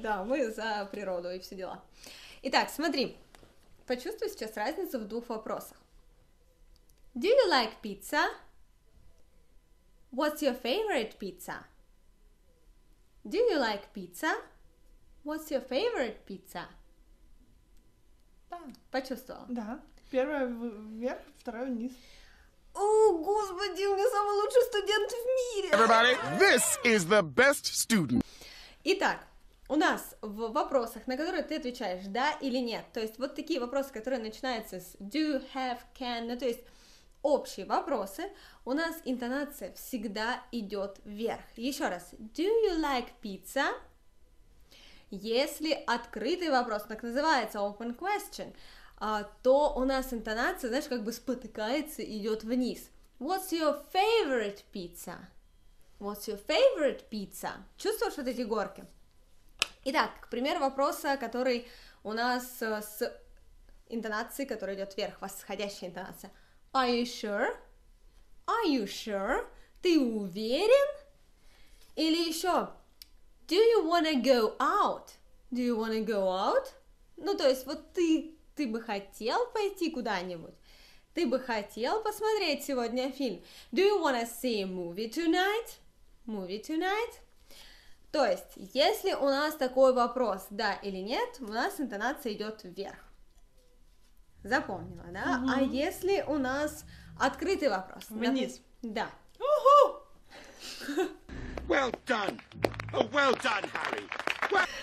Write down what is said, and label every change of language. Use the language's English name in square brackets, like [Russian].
[Russian] Да, мы за природу и все дела. Итак, смотри. Почувствуй сейчас разницу в двух вопросах. [English] Do you like pizza? What's your favorite pizza? Do you like pizza? What's your favorite pizza? [Russian] Да. Почувствовала? Да. Первая вверх, вторая вниз. О, господи, у меня самый лучший студент в мире! [English] Everybody, this is the best student. [Russian] Итак, у нас в вопросах, на которые ты отвечаешь да или нет, то есть вот такие вопросы, которые начинаются с do, have, can, ну, то есть общие вопросы, у нас интонация всегда идет вверх. Еще раз, [English] do you like pizza? [Russian] Если открытый вопрос, так называется [English] open question, [Russian] то у нас интонация, знаешь, как бы спотыкается и идет вниз. [English] What's your favorite pizza? What's your favorite pizza? [Russian] Чувствуешь вот эти горки? Итак, к примеру, вопроса, который у нас с интонацией, которая идет вверх, восходящая интонация. [English] Are you sure? Are you sure? [Russian] Ты уверен? Или еще. [English] Do you wanna go out? Do you wanna go out? [Russian] Ну, то есть, вот ты... Ты бы хотел пойти куда-нибудь? Ты бы хотел посмотреть сегодня фильм? [English] Do you wanna see a movie tonight? Movie tonight? [Russian] То есть, если у нас такой вопрос, да или нет, у нас интонация идет вверх. Запомнила, да? Угу. А если у нас открытый вопрос? Вниз. Да. У-ху! [English] Well done! Well done, Harry! Well...